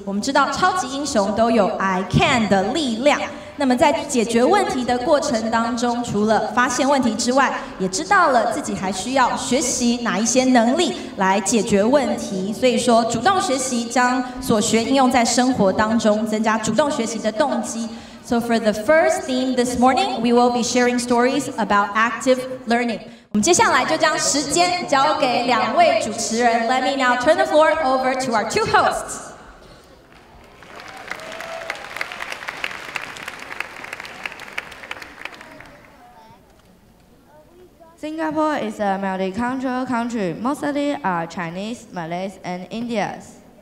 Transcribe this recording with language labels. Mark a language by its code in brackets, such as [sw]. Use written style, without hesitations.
[zh] 我们知道超级英雄都有 [en] I can [zh] 的力量。那么在解决问题的过程当中，除了发现问题之外，也知道了自己还需要学习哪一些能力来解决问题。所以说主动学习将所学应用在生活当中，增加主动学习的动机。 [en] So for the first theme this morning, we will be sharing stories about active learning. [zh] 我们接下来就将时间交给两位主持人。 [en] Let me now turn the floor over to our two hosts. Singapore is a multicultural country. Mostly are Chinese, Malays, and Indians.